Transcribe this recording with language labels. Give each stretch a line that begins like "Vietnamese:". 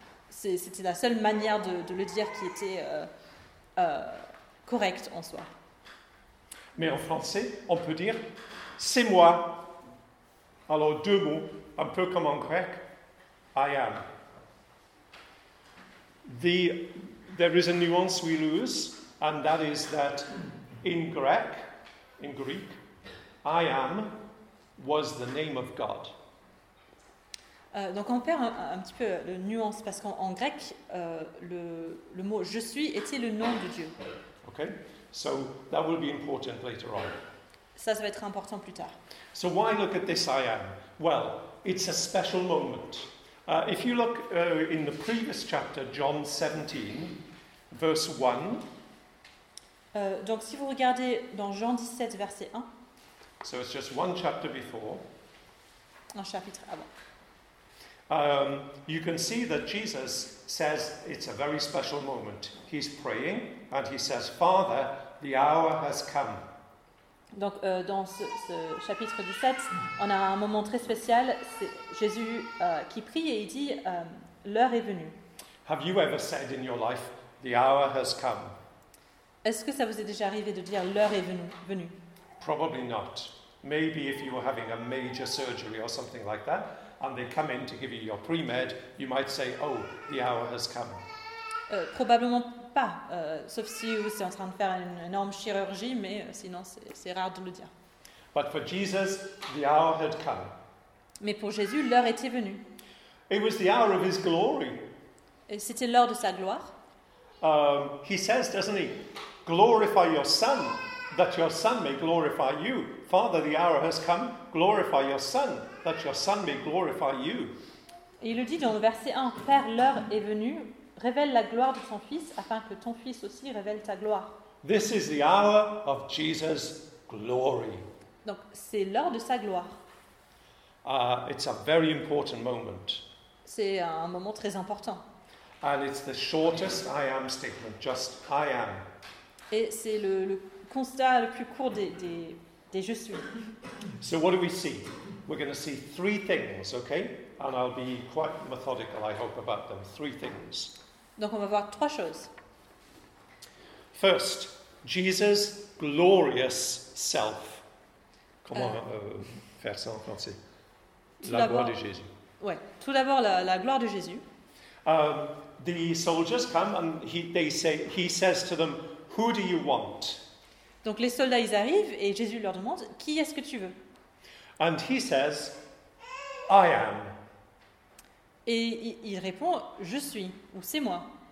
French: C'était la seule manière de le dire qui était correcte en soi. Mais en français, on peut dire, c'est moi. Alors deux mots, un peu comme en grec.
English: I am. There is a nuance we lose, and that is that in Greek, I am was the name of God.
French: Donc on perd un petit peu la nuance parce qu'en grec, le mot je suis était le nom de Dieu.
English: Okay, so that will be important later on.
French: Ça va être important plus tard.
English: So why look at this I am? Well, it's a special moment. If you look in the previous chapter, John 17, verse 1.
French: Donc si vous regardez dans Jean 17, verset 1.
English: So it's just one chapter before.
French: dans le chapitre avant.
English: You can see that Jesus says it's a very special moment. He's praying and he says, Father, the hour has come.
French: Donc dans ce chapitre 17, on a un moment très spécial. C'est Jésus qui prie et il dit, l'heure est venue.
English: Have you ever said in your life, the hour has come?
French: Est-ce que ça vous est déjà arrivé de dire l'heure est venue?
English: Probably not. Maybe if you were having a major surgery or something like that, and they come in to give you your pre-med, you might say, oh, the hour has come.
French: Probablement pas, sauf si vous êtes en train de faire une énorme chirurgie, mais sinon c'est rare de le dire.
English: But for Jesus, the hour had come.
French: Mais pour Jésus, l'heure était venue.
English: It was the hour of his glory.
French: Et c'était l'heure de sa gloire.
English: He says, doesn't he, glorify your son, that your son may glorify you. Father, the hour has come, glorify your son, that your son may glorify you.
French: Et il le dit dans le verset 1, Père, l'heure est venue, révèle la gloire de ton fils, afin que ton fils aussi révèle ta gloire.
English: This is the hour of Jesus' glory.
French: Donc, c'est l'heure de sa gloire.
English: It's a very important moment.
French: C'est un moment très important.
English: And it's the shortest I am statement, just I am.
French: Et c'est le constat le plus court des je suis.
English: So what do we see? We're going to see three things, okay? And I'll be quite methodical, I hope, about them. Three things.
French: Donc on va voir trois choses.
English: First, Jesus' glorious self.
French: Comment faire ça en français? La gloire de Jésus. Ouais. Tout d'abord, la gloire de Jésus.
English: The soldiers come and he says to them, "Who do you want?"
French: Donc les soldats ils arrivent et Jésus leur demande, qui est-ce que tu veux?
English: And he says, "I am."
French: Et il répond, je suis ou c'est moi.